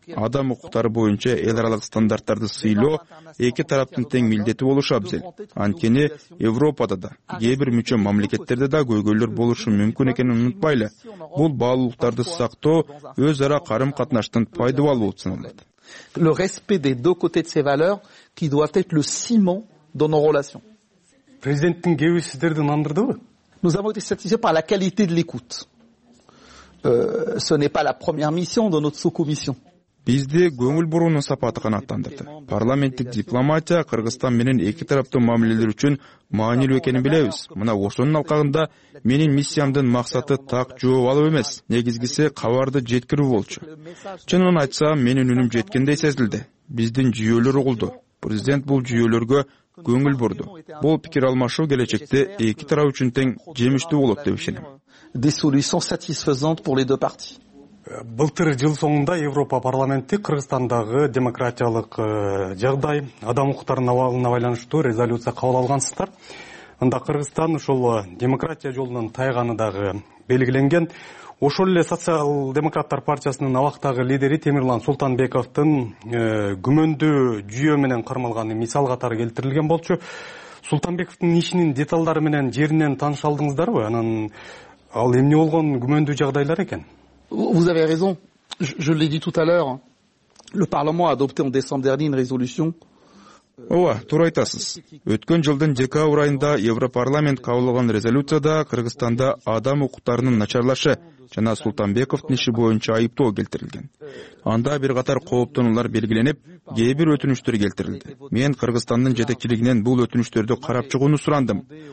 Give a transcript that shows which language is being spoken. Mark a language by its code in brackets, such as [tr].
[ky] Адам укуктары боюнча эл аралык стандарттарды сыйлоо эки тараптын тең милдети болушу абзел. Анткени Европада да, кээ бир мүчө мамлекеттерде да көйгөйлөр болушу мүмкүн экенин унутпайлы. Бул баалуулуктарды сактоо өз ара карым катнаштын пайдубалы болуп саналат. [fr] Le respect des deux côtés de ces valeurs qui doivent être le ciment dans nos relations. [ky] Президенттин кеби сиздерди нандырдыбы? [fr] Nous avons été satisfaits par la qualité de l'écoute. Ce n'est pas la première mission de notre sous-commission. [ky] Бизди көңүл буруунун сапаты канааттандырды. Парламенттик дипломатия Кыргызстан менен эки тараптуу мамилелер үчүн маанилүү экенин билебиз. Мына ошонун алкагында менин миссиямдын максаты так жооп алуу эмес. Негизгиси кабарды жеткирүү болчу. Чынын айтсам, менин үнүм жеткендей сезилди. Биздин жүйөлөр угулду. Президент бул жүйөлөргө көңүл бурду. Бул пикир алмашуу келечекте эки тарап үчүн тең жемиштүү болот деп ишенем. [fr] Des solutions satisfaisantes pour les deux parties. [ky] Былтыр жыл соңунда Европа парламенти Кыргызстандагы демократиялык жагдай, адам укуктарынын абалына байланыштуу резолюция кабыл алгансыздар. Анда Кыргызстан ушул демократия жолунун тайганы дагы белгиленген. Ошол эле социал демократтар партиясынын абактагы лидери Темирлан Султанбековдун күмөндүү жүйө менен кармалганы мисал катары келтирилген болчу. Султанбековдун ишинин деталдары менен жеринен тааныша алдыңыздарбы? Анан ал эмне болгон күмөндүү жагдайлар экен? [fr] Vous avez raison, je l'ai dit tout à l'heure. Le Parlement a adopté en décembre dernier une résolution. [ky] Ооба, туура айтасыз. Өткөн жылдын декабрь айында Европарламент кабыл алган резолюцияда Кыргызстанда адам укуктарынын начарлашы жана Султанбековдун иши боюнча айыптоо келтирилген. Анда бир катар кооптонуулар белгиленип, кээ бир өтүнүчтөр келтирилди. Мен Кыргызстандын жетекчилигинен бул өтүнүчтөрдү карап чыгууну сурандым.